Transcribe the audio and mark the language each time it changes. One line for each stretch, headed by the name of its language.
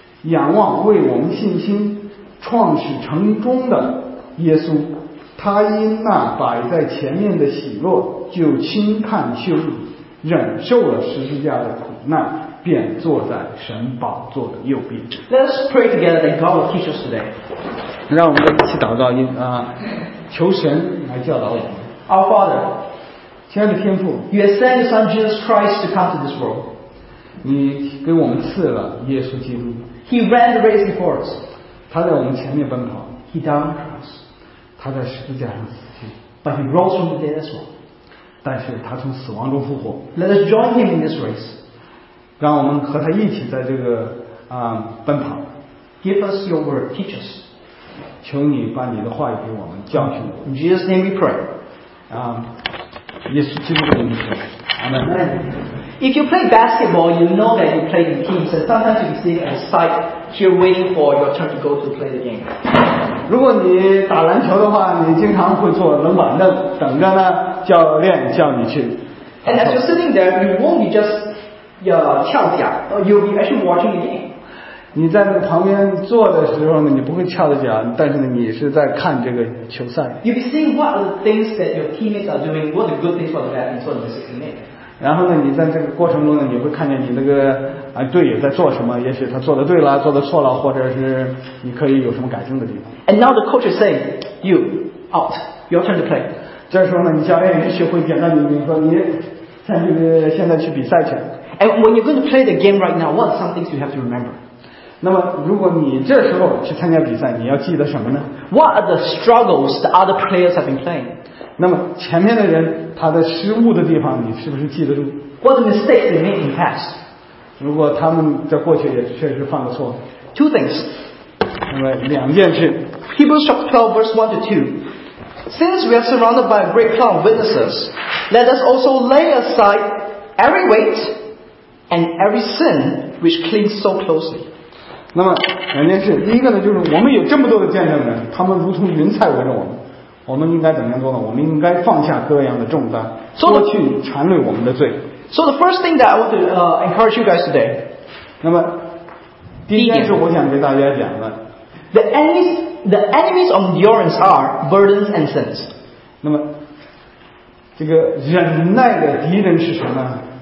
Chinese: 仰望为我们信心创始成终的耶稣，他因那摆在前面的喜乐，就轻看羞辱，忍受了十字架的苦难，便坐在神宝座的右边。
English: Let's pray together that God will teach us today.
Chinese: 让我们一起祷告，求神来教导我们。
English: Our Father,
Chinese: 亲爱的天父
English: ，You have sent your Son Jesus Christ to come to this world.
Chinese: 你给我们赐了耶稣基督。
English: He ran the race before us.
Chinese: 他在我们前面奔跑。
English: He died on the cross.
Chinese: 他在十字架上死去。
English: But he rose from the dead as well.
Chinese: 但是他从死亡中复活。
English: Let us join him in this race.
Chinese: 让我们和他一起在这个奔跑。
English: Give us your word, teach us.
Chinese: 求你把你的话语给我们，教训我们。
English: In Jesus' name we pray.
Chinese: 耶稣基督的名字。Amen.
English: If you play basketball, you know that you play in teams, and sometimes you sit at side here waiting for your turn to go to play the game.
Chinese: 如果你打篮球的话，你经常会坐冷板凳等着呢，教练叫你去。
English: And as you're sitting there, you won't be just
Chinese: 翘脚，
English: you'll be actually watching the game.
Chinese: 你在那旁边坐的时候呢，你不会翘着脚，但是呢，你是在看这个球赛。
English: You'll be seeing what are the things that your teammates are doing, what the good things, what the bad things, what the decision made.
Chinese: 然后呢，你在这个过程中呢，你会看见你那个队友在做什么，也许他做的对了，做的错了，或者是你可以有什么改正的地方。
English: And now the coach is saying, you out, your turn to play.
Chinese: 这时候呢，你教练也许会点到你，你说你在这个现在去比赛去。
English: And when you're going to play the game right now, what are some things you have to remember?
Chinese: 那么如果你这时候去参加比赛，你要记得什么呢？
English: What are the struggles the other players have been playing?
Chinese: 那么前面的人他的失误的地方你是不是记得住？
English: What are the mistakes they made in the past?
Chinese: 如果他们在过去也确实犯了错。
English: Two things.
Chinese: 那么两件事。
English: Hebrews chapter 12 verse 1 to 2. Since we are surrounded by a great cloud of witnesses, let us also lay aside every weight and every sin which clings so closely.
Chinese: 那么两件事，第一个呢，就是我们有这么多的见证人，他们如同云彩围着我们，我们应该怎么样做呢？我们应该放下各样的重担，脱去缠累我们的罪。
English: So the first thing that I want to encourage you guys today.
Chinese: 那么第一件事，我想给大家讲的。
English: The enemies of endurance are burdens and sins.
Chinese: 那么这个忍耐的敌人是什么呢？